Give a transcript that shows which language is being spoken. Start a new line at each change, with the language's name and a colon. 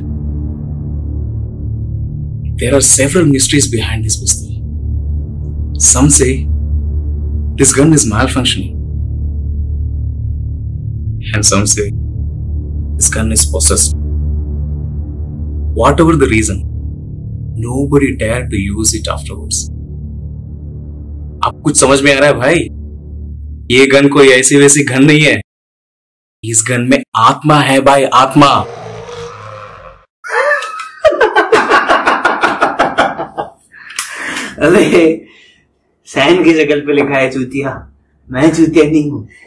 English: There are several mysteries behind this pistol. Some say this gun is malfunctioning and some say this gun is possessed. Whatever the reason, nobody dared to use it afterwards.
Hindi: अब कुछ समझ में आ रहा है भाई? ये गन कोई ऐसी वैसी गन नहीं है, इस गन में आत्मा है भाई, आत्मा। अरे सैन की जगह पे लिखा है चूतिया, मैं चूतिया नहीं हूं।